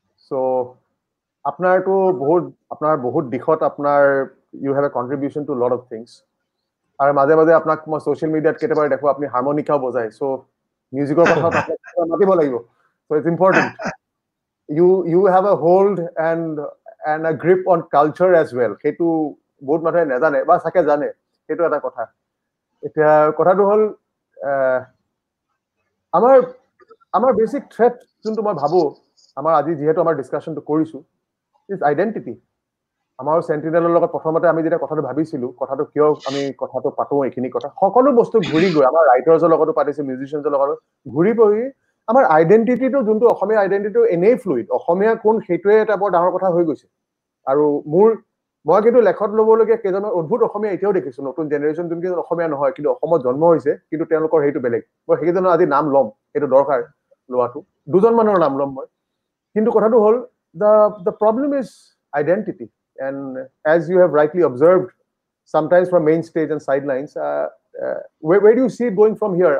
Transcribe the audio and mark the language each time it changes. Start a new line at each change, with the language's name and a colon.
Assamese: চ' আপোনাৰতো বহুত, আপোনাৰ বহুত দিশত আপোনাৰ
English: You have a contribution to lot of things.
Assamese: আৰু মাজে মাজে আপোনাক মই ছ'চিয়েল মিডিয়াত কেতিয়াবা দেখোঁ আপুনি হাৰমনিকাও বজায়, চ' মিউজিকৰ কথা মাতিব লাগিব।
English: So' it's important, you have a hold and a grip on culture as well.
Assamese: সেইটো বহুত মানুহে নাজানে বা চাগে জানে, সেইটো এটা কথা। এতিয়া কথাটো হ'ল আমাৰ বেছিক থ্ৰেট যোনটো মই ভাবোঁ, আমাৰ আজি যিহেতু আমাৰ ডিছকাশ্যনটো কৰিছোঁ,
English: Is identity.
Assamese: আমাৰ চেণ্টিনেলৰ লগত প্ৰথমতে আমি যেতিয়া কথাটো ভাবিছিলোঁ, কথাটো কিয় আমি কথাটো পাতোঁ, এইখিনি কথা সকলো বস্তু ঘূৰি গৈ আমাৰ ৰাইটাৰ্ছৰ লগতো পাতিছোঁ, মিউজিচিয়ানৰ লগতো ঘূৰি পৰি আমাৰ আইডেণ্টিটিটো, যোনটো অসমীয়া আইডেণ্টিটিটো এনেই ফ্লুইড, অসমীয়া কোন সেইটোৱে এটা বৰ ডাঙৰ কথা হৈ গৈছে। আৰু মই কিন্তু লেখত ল'বলগীয়া কেইজনৰ অদ্ভুত অসমীয়া এতিয়াও দেখিছোঁ, নতুন জেনেৰেশ্যন যোনকেইজন অসমীয়া নহয় কিন্তু অসমত জন্ম হৈছে, কিন্তু তেওঁলোকৰ সেইটো বেলেগ। মই সেইকেইজনৰ আজি নাম ল'ম, সেইটো দৰকাৰ লোৱাটো, দুজনমানৰ নাম ল'ম মই। কিন্তু কথাটো হ'ল
English: the problem is identity, and as you have rightly observed, sometimes from main stage and sidelines, where do you see it going from here?